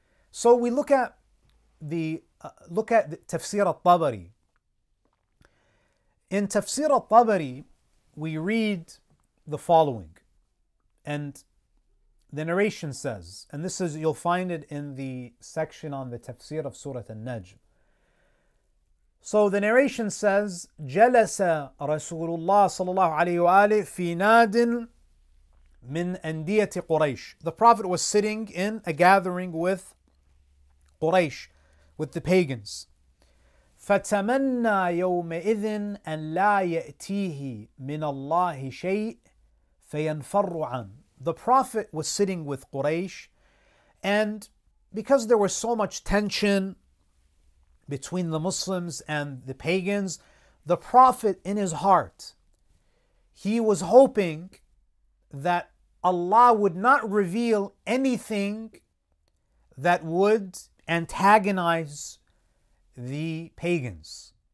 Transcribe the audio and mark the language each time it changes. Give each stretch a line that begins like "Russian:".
English: So we look at the Tafsir al-Tabari. In Tafsir al-Tabari, we read the following. And The narration says, and this is, you'll find it in the section on the tafsir of Surah Al-Najm. So the narration says,
Arabic: جَلَسَ رَسُولُ اللَّهِ صَلَى اللَّهُ عَلَيْهُ وَآلِهِ فِي نَادٍ مِنْ أَنْدِيَةِ قُرَيْشِ.
English: The Prophet was sitting in a gathering with Quraysh, with the pagans.
Arabic: فَتَمَنَّى يَوْمَئِذٍ أَنْ لَا يَأْتِيهِ مِنَ اللَّهِ شَيْءٍ فَيَنْفَرُّ عَنْ.
English: The Prophet was sitting with Quraysh, and because there was so much tension between the Muslims and the pagans, the Prophet in his heart, he was hoping that Allah would not reveal anything that would antagonize the pagans.